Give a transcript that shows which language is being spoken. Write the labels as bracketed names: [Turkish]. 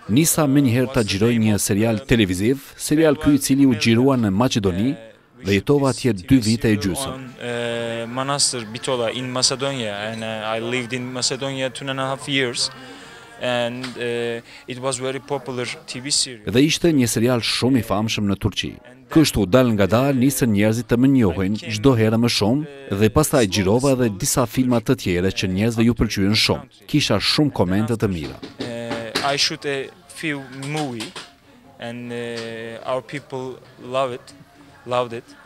[Albanian] Nisa më njëherë ta xhiroj një serial televiziv serial ky I cili u xhirua në Maqedoni dhe jetova atje 2 vite e gjysëm [English] Manastir Bitola in Macedonia and I lived in Macedonia 2.5 years and it was very popular TV series. [Albanian] Dhe ishte një serial shumë I famshëm në Turqi. Kështu dal nga dal nisën njerëzit të më njohin çdo herë më shumë dhe pastaj xhirova edhe disa filma të tjera që njerëzve ju pëlqyen shumë. Kisha shumë komente të mira. [English] I shoot a few movie and our people love it, loved it.